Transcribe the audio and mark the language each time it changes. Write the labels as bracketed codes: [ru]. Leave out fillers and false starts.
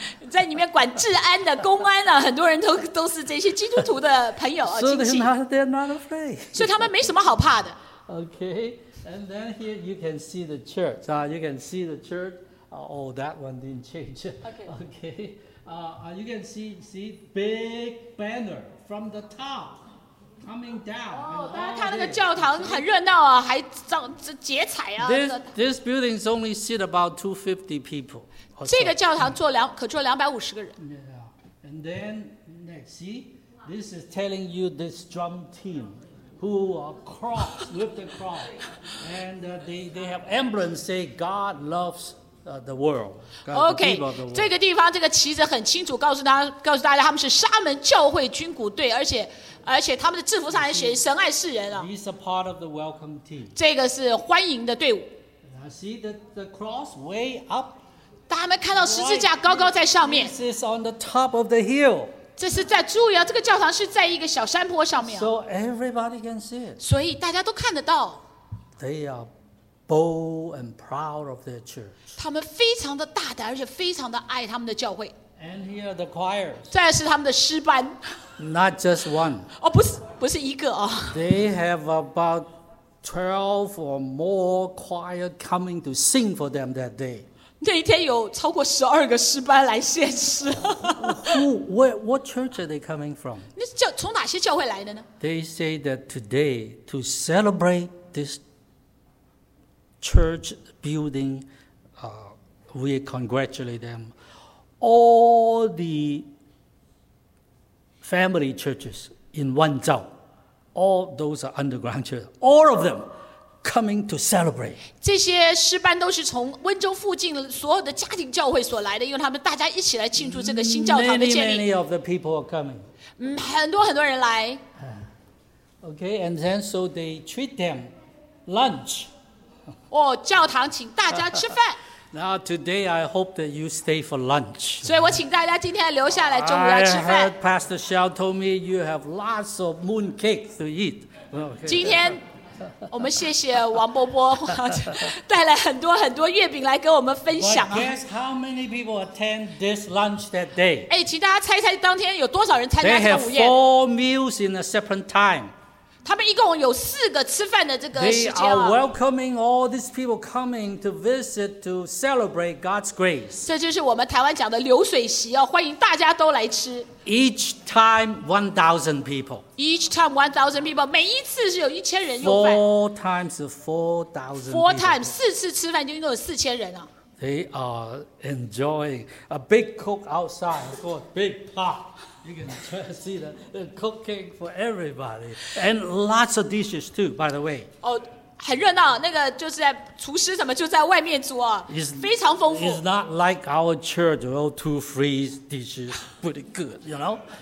[zh] 在里面管治安的、公安的，很多人都是这些基督徒的朋友、亲戚。 [en] So they're not afraid. [zh] 所以他们没什么好怕的。 [en] Okay, and then here you can see the church. You can see the church. Oh, that one didn't change. Okay. You can see big banner from the top. Coming down. [zh] 大家看那个教堂很热闹啊，还上结彩啊。 [en] This building is only seat about 250 people. [zh] 这个教堂可坐250个人。 [en] Yeah. And then next, see, this is telling you this drum team who are cross with the cross, and they have emblem say God loves. The world, okay, the world. [zh] 这个地方这个旗子很清楚告诉大家他们是沙门教会军鼓队而且他们的制服上还写神爱世人、啊、 [en] He's a part of the welcome team. [zh] 这个是欢迎的队伍 [en] Now see the cross way up [zh] 大家没看到十字架高高在上面 [en] This is on the top of the hill [zh] 这是在注意、啊、这个教堂是在一个小山坡上面、啊、 [en] So everybody can see it [zh] 所以大家都看得到 [en] They areBold and proud of their church. [zh] 他们非常的大胆，而且非常的爱他们的教会。 [en] And here are the choirs. [zh] 再是他们的诗班。 [en] Not just one. [zh] 哦，不是一个哦。 [en] They have about 12 or more choir coming to sing for them that day. [zh] 那一天有超过12个诗班来献诗。 [en] What church are they coming from? [zh] 那教从哪些教会来的呢 [en] ？They say that today to celebrate this. Church building, we congratulate them. All the family churches in Wanzhou, all those are underground churches, all of them coming to celebrate. [zh] 这些诗班都是从温州附近所有的家庭教会所来的，因为他们大家一起来庆祝这个新教堂的建立。 [en] Many of the people are coming. [zh] 很多很多人来。 [en] Okay, and then so they treat them lunch. [zh] Oh, 教堂请大家吃饭。 [en] Now today I hope that you stay for lunch. [zh] 所以我请大家今天留下来中午要吃饭。 [en] I heard Pastor Xiao told me you have lots of moon cake to eat. Okay. [zh] 今天我们谢谢王伯伯带来很多很多月饼来跟我们分享。 [en] But guess how many people attend this lunch that day? [zh] 哎，请大家猜猜当天有多少人参加这个午宴 [en] ？They have four meals in a separate time. [zh] 他们一共有四个吃饭的这个时间啊。 [en] They are welcoming all these people coming to visit to celebrate God's grace. [zh] 这就是我们台湾讲的流水席哦，欢迎大家都来吃。 [en] Each time 1,000 people. Each time 1,000 people. [zh] 每一次是有一千人用饭。 [en] Four times 4,000. Four times [zh] 四次吃饭就一共有四千人啊。 [en] They are enjoying a big cook outside for a big pot. You can try to see the cooking for everybody. And lots of dishes too, by the way. [zh] Oh, 很热闹那个就是在厨师什么就在外面煮啊非常丰富。 [en] It's not like our church, all two free dishes, pretty good, you know?